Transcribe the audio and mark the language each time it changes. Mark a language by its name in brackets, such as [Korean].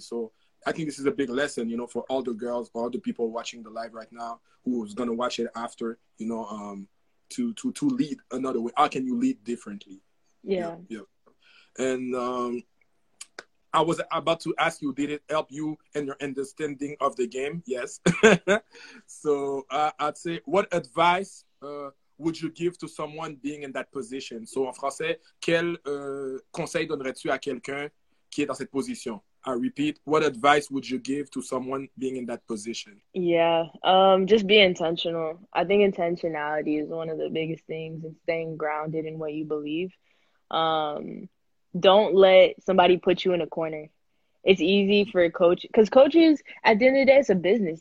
[English] So I think this is a big lesson, you know, for all the girls, all the people watching the live right now, who's going to watch it after, you know, to lead another way. How can you lead differently? And I was about to ask you, did it help you in your understanding of the game? Yes. So I'd say, what advice would you give to someone being in that position? [French] So en français, quel conseil donnerais-tu à quelqu'un qui est dans cette position? [English] I repeat, what advice would you give to someone being in that position? Yeah, just be intentional. I think intentionality is one of the biggest things, and staying grounded in what you believe. Don't let somebody put you in a corner. It's easy for a coach, because coaches, at the end of the day, it's a business.